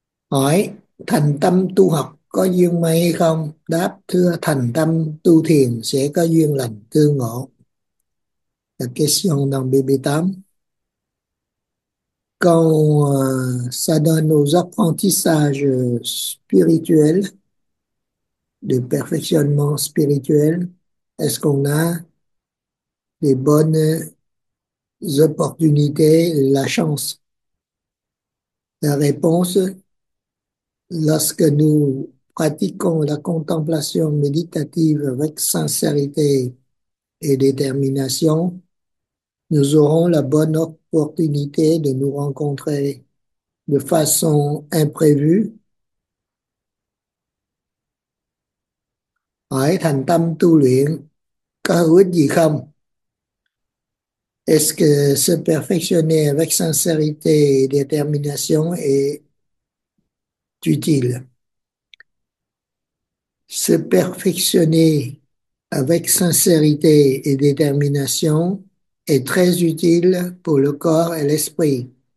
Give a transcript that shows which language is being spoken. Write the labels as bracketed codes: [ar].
[vi] Hỏi thành tâm tu học có duyên may hay không? Đáp: thưa, thành tâm tu thiền sẽ có duyên lành tương ngộ. Là question đồng BB8. [fr] Quand ça donne aux apprentissages spirituels, de perfectionnement spirituel, est-ce qu'on a les bonnes opportunités, la chance? La réponse: lorsque nous pratiquons la contemplation méditative avec sincérité et détermination, nous aurons la bonne opportunité de nous rencontrer de façon imprévue. [vi] Hỏi thành tâm tu luyện có hữu ích gì không? [fr] Est-ce que se perfectionner avec sincérité et détermination est utile? Se perfectionner avec sincérité et détermination est très utile pour le corps et l'esprit.